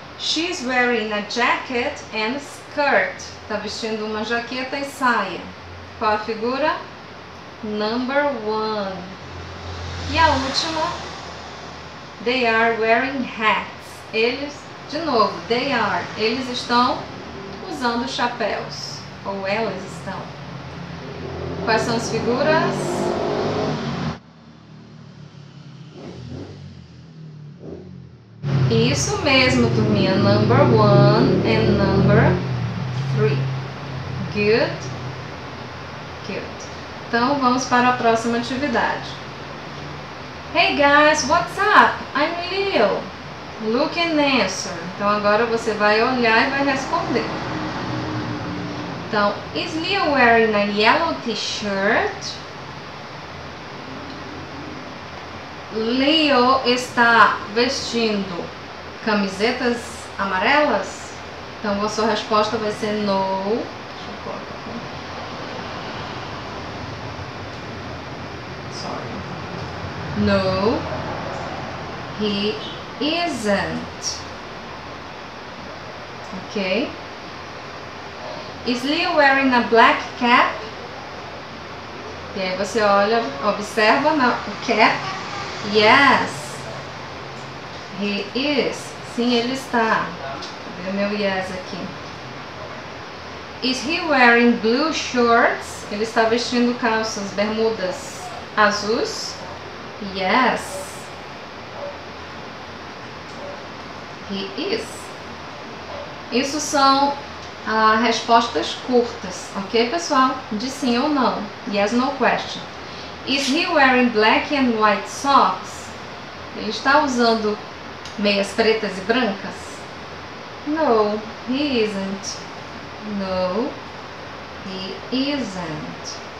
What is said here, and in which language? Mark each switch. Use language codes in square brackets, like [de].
[en] She's wearing a jacket and skirt. [pt] Tá vestindo uma jaqueta e saia. Qual a figura? [en] Number 1. [pt] E a última? [en] They are wearing hats. [pt] Eles, de novo, [en] they are. [pt] Eles estão usando chapéus. Ou elas estão. Quais são as figuras? Isso mesmo, turminha. [en] Number 1 and number 3. Good? Good. [pt] Então, vamos para a próxima atividade. [en] Hey, guys, what's up? I'm Leo. Look and answer. [pt] Então, agora você vai olhar e vai responder. Então, [en] is Leo wearing a yellow t-shirt? [pt] Leo está vestindo camisetas amarelas? Então, a sua resposta vai ser no. Deixa eu colocar aqui. [en] Sorry. No, he isn't. Ok. Is Leo wearing a black cap? [pt] E aí você olha, observa na cap. [en] Yes, he is. [pt] Sim, ele está. Cadê o meu yes aqui? [en] Is he wearing blue shorts? [pt] Ele está vestindo calças, bermudas Azuis? [en] Yes. He is. [pt] Isso são respostas curtas, ok, pessoal? De sim ou não. [en] Yes, no question. Is he wearing black and white socks? [pt] Ele está usando meias pretas e brancas? [en] No, he isn't. No, he isn't.